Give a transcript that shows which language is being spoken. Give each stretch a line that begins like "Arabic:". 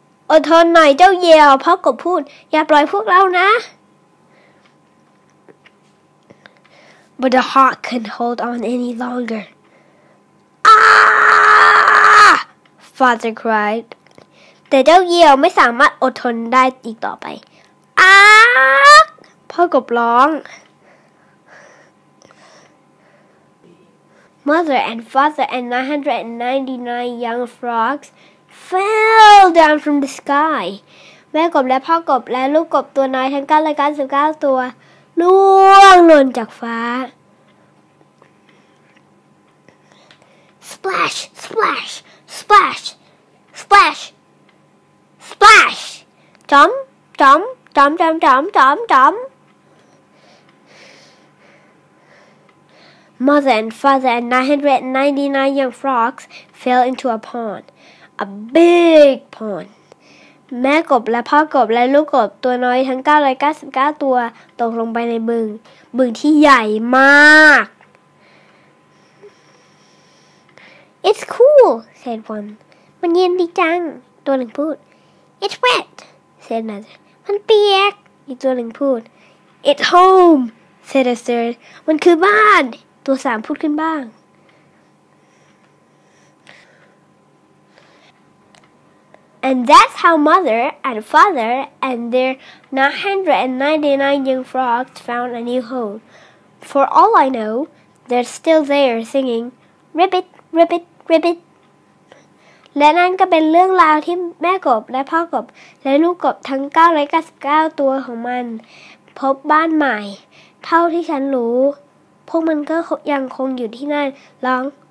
Thai: อดทนหน่อยเจ้าเหยี่ยวพ่อกบพูดอย่าปล่อยพวกเรานะ
English: But the hawk couldn't hold on any longer.
Thai: Ah! Father cried. แต่เจ้าเหยี่ยวไม่สามารถอดทนได้อีกต่อไป Ah! พ่อกบร้อง
English: Mother and father and 999 young frogs fell down from the sky.
Thai: แม่กบและพ่อกบและลูกกบตัวน้อยทั้ง999ตัวร่วงหล่นจากฟ้า
English: Splash, splash, splash, splash, splash. Jump, jump, jump, jump, jump, jump, jump. Mother and father and 999 young frogs fell into a pond, a big pond.
Thai: แม่กบและพ่อกบและลูกกบตัวน้อยทั้ง999ตัวตกลงไปในบึงบึงที่ใหญ่มาก
English: It's cool, said one.
Thai: มันเย็นดีจังตัวหนึ่งพูด
English: It's wet, said another.
Thai: มันเปียกอีกตัวหนึ่งพูด
English: It's home, said a third.
Thai: มันคือบ้านตัวสามพูดขึ้นบ้าง
English: And that's how mother and father and their 999 young frogs found a new home For all I know, they're still there singing, Ribbit, Ribbit, Ribbit.
Thai: และนั่นก็เป็นเรื่องราวที่แม่กบและพ่อกบและลูกกบทั้ง999ตัวของมันพบบ้านใหม่เท่าที่ฉันรู้พวกมันก็ยังคงอยู่ที่นั่นร้อง